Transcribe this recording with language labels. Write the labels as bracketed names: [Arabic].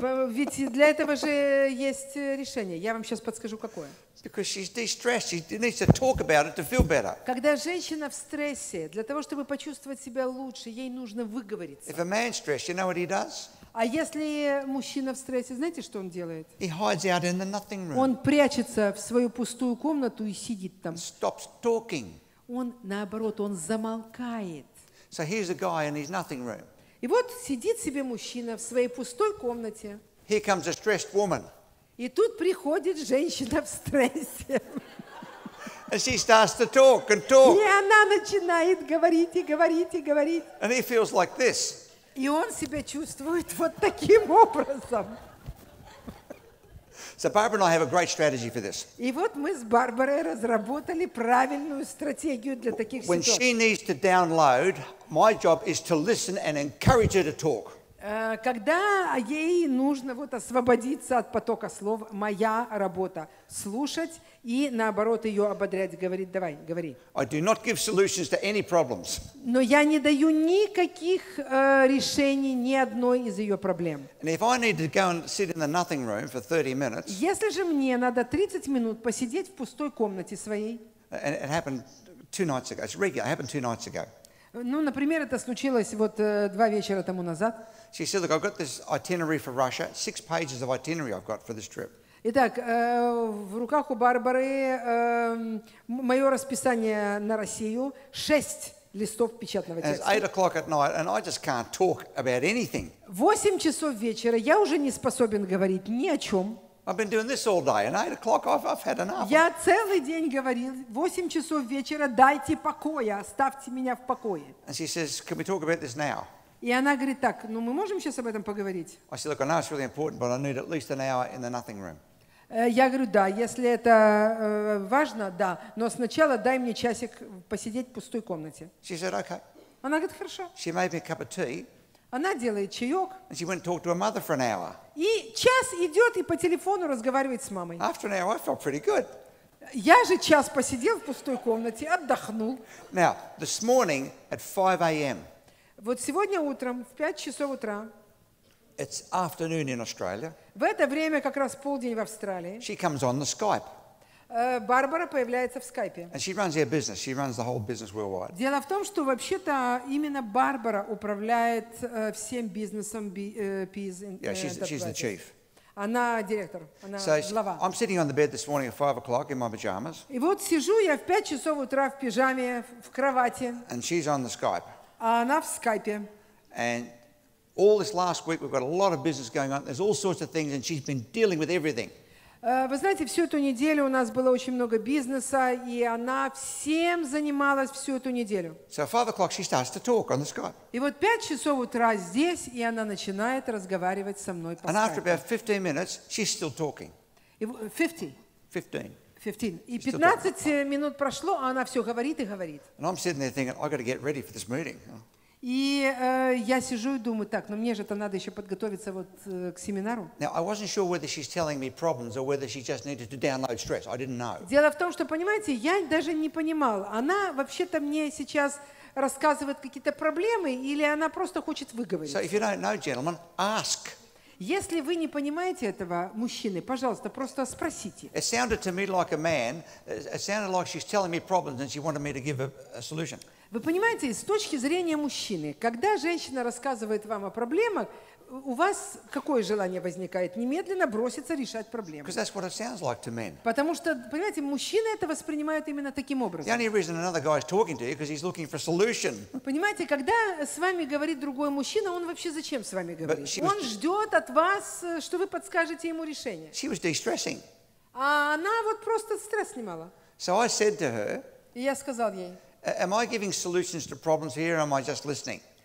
[Russian] Ведь для этого же есть решение. Я вам сейчас подскажу, какое. [English] Because she's de-stressed, she needs to talk about it to feel better. [Russian] Когда женщина в стрессе, для того, чтобы почувствовать себя лучше, ей нужно выговориться. [English] If a man's stressed, you know what he does? [Russian] А если мужчина в стрессе, знаете, что он делает? [English] He hides out in the nothing room. [Russian] Он прячется в свою пустую комнату и сидит там. [English] And stops talking. [Russian] Он, наоборот, он замолкает. [English] So here's a guy in his nothing room. [Russian] И вот сидит себе мужчина в своей пустой комнате. [English] Here comes a stressed woman. [Russian] И тут приходит женщина в стрессе. [English] And she starts to talk and talk. [Russian] И она начинает говорить и говорить и говорить. [English] And he feels like this. [Russian] И он себя чувствует вот таким образом. [English] So Barbara and I have a great strategy for this. [Russian] И вот мы с Барбарой разработали правильную стратегию для таких ситуаций. [English] When she needs to download, my job is to listen and encourage her to talk. [Russian] Когда ей нужно вот освободиться от потока слов, моя работа — слушать и, наоборот, ее ободрять, говорить, давай, говори. [English] I do not give solutions to any problems. [Russian] Но я не даю никаких решений ни одной из ее проблем. [English] And if I need to go and sit in the nothing room for 30 minutes, [Russian] если же мне надо 30 минут посидеть в пустой комнате своей, [English] and it happened two nights ago. It's regular. It happened two nights ago. [Russian] Ну, например, это случилось вот два вечера тому назад. [English] She said, "Look, I've got this itinerary for Russia. 6 pages of itinerary I've got for this trip." [Russian] Итак, в руках у Барбары мое расписание на Россию 6 листов печатного текста. [English] It's 8 o'clock at night, and I just can't talk about anything. [Russian] 8 часов вечера, я уже не способен говорить ни о чем. [English] I've been doing this all day, and 8 o'clock I've had enough. [Russian] Я целый день говорил, 8 часов вечера, дайте покоя, оставьте меня в покое. [English] And she says, "Can we talk about this now?" [Russian] И она говорит так, ну мы можем сейчас об этом поговорить? [English] I said, "Look, I know it's really important, but I need at least an hour in the nothing room." [Russian] Я говорю, да, если это важно, да, но сначала дай мне часик посидеть в пустой комнате. [English] She said, "Okay." [Russian] Она говорит, хорошо. [English] She made me a cup of tea. [Russian] Она делает чаек. [English] And she went and talked to her mother for an hour. [Russian] И час идет и по телефону разговаривает с мамой. [English] After an hour, I felt pretty good. [Russian] Я же час посидел в пустой комнате, отдохнул. [English] Now, this morning at 5 a.m. [Russian] Вот сегодня утром, в 5 часов утра, [English] it's afternoon in Australia, [Russian] в это время как раз полдень в Австралии, [English] she comes on the Skype. [Russian] Барбара появляется в скайпе. [English] And she runs her business. She runs the whole business worldwide. [Russian] Дело в том, что вообще-то именно Барбара управляет всем бизнесом. [English] She's the chief. [Russian] Она директор, она [English] so [Russian] глава. [English] I'm sitting on the bed this morning at 5 o'clock in my pajamas. [Russian] И вот сижу я в 5 часов утра в пижаме, в кровати. [English] And she's on the Skype. [Russian] А она в скайпе. [English] And all this last week we've got a lot of business going on. There's all sorts of things, and she's been dealing with everything. [Russian] Вы знаете, всю эту неделю у нас было очень много бизнеса, и она всем занималась всю эту неделю. [English] So 5 o'clock she starts to talk on the Skype. [Russian] И вот 5 часов утра здесь, и она начинает разговаривать со мной по скайпу. [English] And after about 15 minutes she's still talking. 15. [Russian] И 15 минут прошло, а она все говорит и говорит. [English] And I'm sitting there thinking, I've got to get ready for this meeting. [Russian] И я сижу и думаю, так, но мне же это надо еще подготовиться вот к семинару. [English] Now, I wasn't sure whether she's telling me problems or whether she just needed to download stress. I didn't know. [Russian] Дело в том, что, понимаете, я даже не понимала. Она вообще-то мне сейчас рассказывает какие-то проблемы или она просто хочет выговориться. [English] So if you don't know, gentlemen, ask. [Russian] Если вы не понимаете этого, мужчины, пожалуйста, просто спросите. [English] It sounded to me like a man. It sounded like she's telling me problems and she wanted me to give a solution. [Russian] Вы понимаете, с точки зрения мужчины, когда женщина рассказывает вам о проблемах, у вас какое желание возникает? Немедленно броситься решать проблемы. [English] Because that's what it sounds like to men. [Russian] Потому что, понимаете, мужчины это воспринимают именно таким образом. [English] The only reason another guy is talking to you is because he's looking for a solution. [Russian] Понимаете, когда с вами говорит другой мужчина, он вообще зачем с вами говорит? Он ждет от вас, что вы подскажете ему решение. [English] She was de-stressing. [Russian] А она вот просто стресс снимала. [English] So I said to her. [Russian] И я сказал ей. [English] Am I giving solutions to problems here, or am I just listening?